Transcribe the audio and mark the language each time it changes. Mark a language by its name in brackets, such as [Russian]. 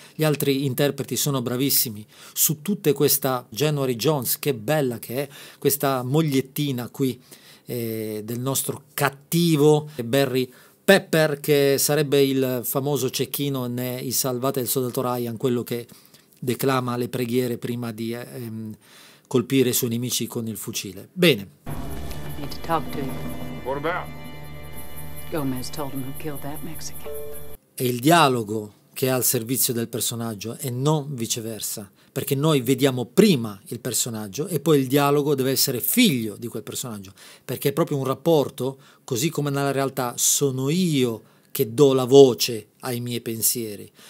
[Italian] Gli altri interpreti sono bravissimi. Su tutte questa January Jones, che bella che è, questa mogliettina qui del nostro cattivo Barry Pepper, che sarebbe il famoso cecchino nei Salvate del Soldato Ryan, quello che declama le preghiere prima di colpire i suoi nemici con il fucile. [English] Bene. Need to talk to you. What about? Gomez told him who killed that Mexican. [Italian] È il dialogo che è al servizio del personaggio e non viceversa, perché noi vediamo prima il personaggio e poi il dialogo deve essere figlio di quel personaggio, perché è proprio un rapporto, così come nella realtà sono io che do la voce ai miei pensieri.